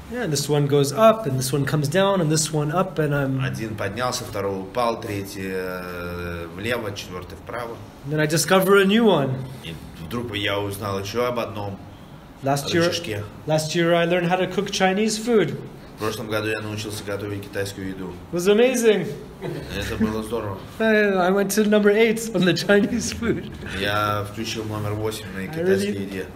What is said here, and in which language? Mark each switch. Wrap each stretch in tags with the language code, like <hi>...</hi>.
<en>Yeah, this one goes up, and this one comes down, and this one up, and I'm.</en> <ru>Один поднялся, второй упал, третий влево, четвертый вправо.</ru> <en>And then I discover a new one.</en> <ru>И вдруг я узнал еще об одном.</ru> <en>Last year I learned how to cook Chinese food.</en> <ru>В прошлом году я научился готовить китайскую еду.</ru> <en>It was amazing.</en> <ru>Это было здорово.</ru> <en>I went to number 8 on the Chinese food.</en> <ru>Я включил номер 8 на китайской еде.</ru>